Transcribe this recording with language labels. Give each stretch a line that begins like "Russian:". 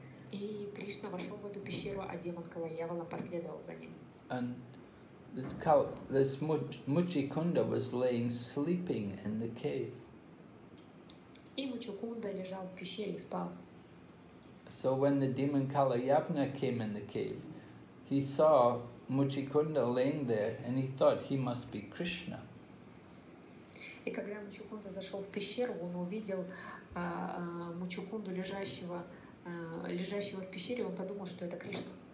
Russian: И Кришна вошел в эту пещеру, а демон Калаявана последовал за ним.
English: And this Muchikunda was laying sleeping in the cave.
Russian: И Мучукунда лежал в пещере и спал.
English: So when the demon Kalayavana came in the cave, he saw Muchikunda laying there, and he thought he must be Krishna.
Russian: И когда Мучукунда зашел в пещеру, он увидел Мучукунду лежащего в пещере, он подумал, что это Кришна.